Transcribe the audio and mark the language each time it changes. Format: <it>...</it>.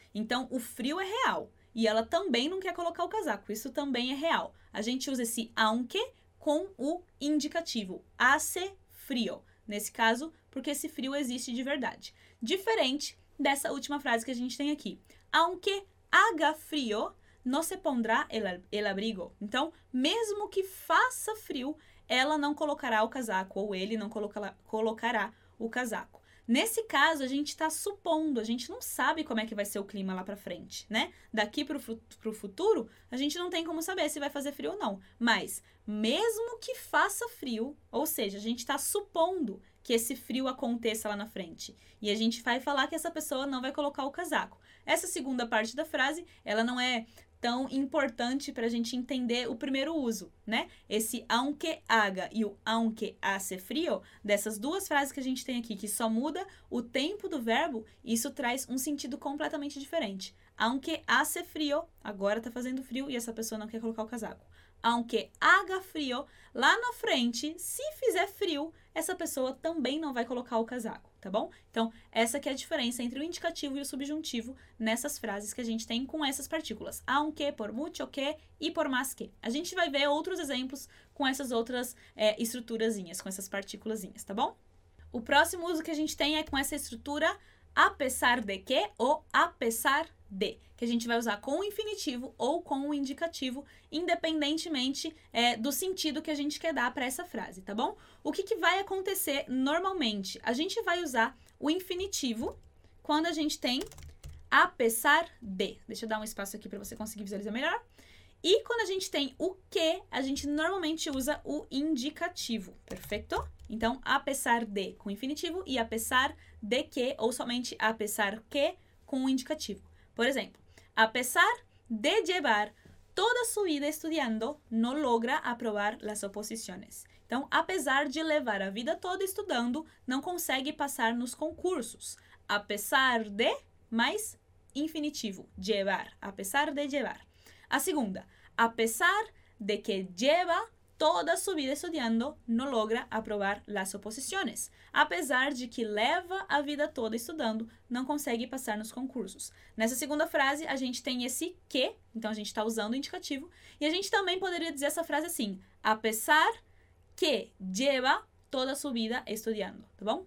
<pt>Então, o frio é real. E ela também não quer colocar o casaco. Isso também é real. A gente usa esse aunque com o indicativo.</pt> <es>Hace frio.</es> <pt>Nesse caso, porque esse frio existe de verdade. Diferente dessa última frase que a gente tem aqui.</pt> <es>Aunque haga frio, no se pondrá el abrigo.</es> <pt>Então, mesmo que faça frio, ela não colocará o casaco. Ou ele não colocará o casaco. Nesse caso, a gente está supondo, a gente não sabe como é que vai ser o clima lá para frente, né? Daqui para o futuro, a gente não tem como saber se vai fazer frio ou não. Mas, mesmo que faça frio, ou seja, a gente está supondo que esse frio aconteça lá na frente, e a gente vai falar que essa pessoa não vai colocar o casaco. Essa segunda parte da frase, ela não é tão importante para a gente entender o primeiro uso, né? Esse aunque haga e o aunque hace frio, dessas duas frases que a gente tem aqui, que só muda o tempo do verbo, isso traz um sentido completamente diferente.</pt> <es>Aunque hace frio,</es> <pt>agora tá fazendo frio e essa pessoa não quer colocar o casaco.</pt> <es>Aunque haga frio,</es> <pt>lá na frente, se fizer frio, essa pessoa também não vai colocar o casaco, tá bom? Então, essa que é a diferença entre o indicativo e o subjuntivo nessas frases que a gente tem com essas partículas.</pt> <es>Aunque, por mucho que e por más que.</es> <pt>A gente vai ver outros exemplos com essas outras estruturazinhas, com essas partículazinhas, tá bom? O próximo uso que a gente tem é com essa estrutura apesar de que ou apesar de, que a gente vai usar com o infinitivo ou com o indicativo, independentemente do sentido que a gente quer dar para essa frase, tá bom? O que vai acontecer normalmente? A gente vai usar o infinitivo quando a gente tem apesar de. Deixa eu dar um espaço aqui para você conseguir visualizar melhor. E quando a gente tem o que, a gente normalmente usa o indicativo, perfeito? Então, apesar de com infinitivo e apesar de que, ou somente apesar que com o indicativo. Por exemplo,</pt> <es>apesar de llevar toda su vida estudiando, no logra aprobar las oposiciones.</es> <pt>Então, apesar de levar a vida toda estudando, não consegue passar nos concursos. Apesar de, mais infinitivo, llevar, apesar de llevar. A segunda,</pt> <es>apesar de que lleva toda su vida estudiando, no logra aprobar las oposiciones.</es> <pt>Apesar de que leva a vida toda estudando, não consegue passar nos concursos. Nessa segunda frase, a gente tem esse que, então a gente está usando o indicativo, e a gente também poderia dizer essa frase assim,</pt> <es>apesar que lleva toda su vida estudiando,</es> <pt>tá bom?</pt>